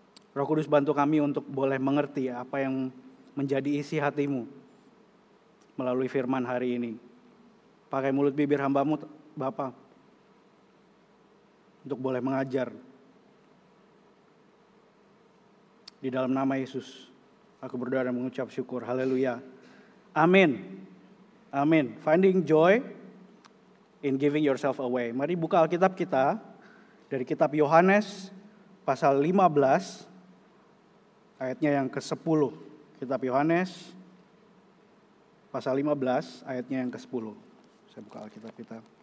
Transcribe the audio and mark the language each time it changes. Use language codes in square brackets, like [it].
[id] Roh Kudus, bantu kami untuk boleh mengerti apa yang menjadi isi hati-Mu melalui firman hari ini. Pakai mulut bibir hamba-Mu, Bapa, untuk boleh mengajar. Di dalam nama Yesus, aku berdoa dan mengucap syukur. Haleluya. Amin. Amin. [en] Finding joy in giving yourself away. [id] Mari buka Alkitab kita dari kitab Yohanes pasal 15 ayatnya yang ke-10. Kitab Yohanes pasal 15 ayatnya yang ke-10. Saya buka Alkitab kita.